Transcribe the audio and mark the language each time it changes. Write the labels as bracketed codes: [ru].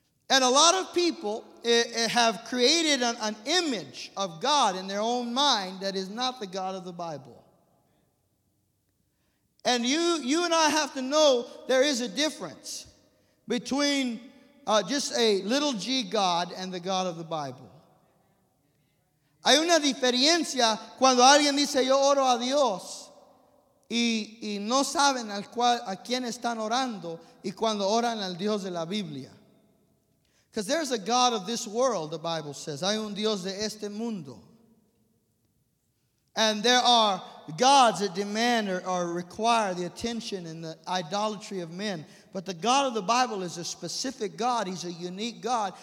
[en] And a lot of people have created an image of God in their own mind that is not the God of the Bible. And you and I have to know there is a difference between just a little g God and the God of the Bible. [es] Hay una diferencia cuando alguien dice yo oro a Dios y no saben al cual, a quién están orando y cuando oran al Dios de la Biblia. [en] Because there's a God of this world, the Bible says. [es] Hay un Dios de este mundo. [en] And there are gods that demand or require the attention and the idolatry of men. But the God of the Bible is a specific God. He's a unique God.